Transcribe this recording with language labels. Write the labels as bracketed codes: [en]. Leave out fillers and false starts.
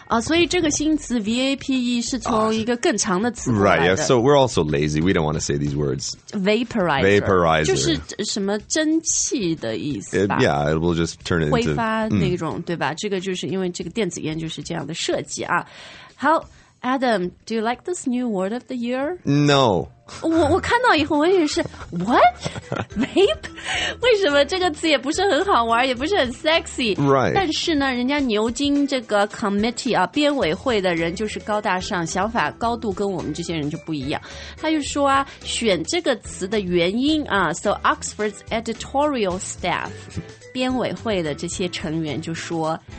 [zh] 所以这个新词 VAPE 是从一个更长的词过来的。 [en] Right, yeah, so we're also lazy. We don't want to say these words. Vaporizer. Vaporizer. [zh] 就是什么蒸汽的意思吧。 [en] Yeah, it will just turn it into... [zh] 挥发那种、对吧。这个就是因为这个电子烟就是这样的设计啊。好。 [en] Adam, do you like this new word of the year? No. [zh] 我看到以后我也是 [en] What? Vape? [zh] 为什么这个词也不是很好玩，也不是很 sexy? [en] Right. [zh] 但是呢，人家牛津这个 committee 啊，编委会的人就是高大上，想法高度跟我们这些人就不一样。他就说啊，选这个词的原因啊 ， [en] So Oxford's editorial staff, [zh] 编委会的这些成员就说。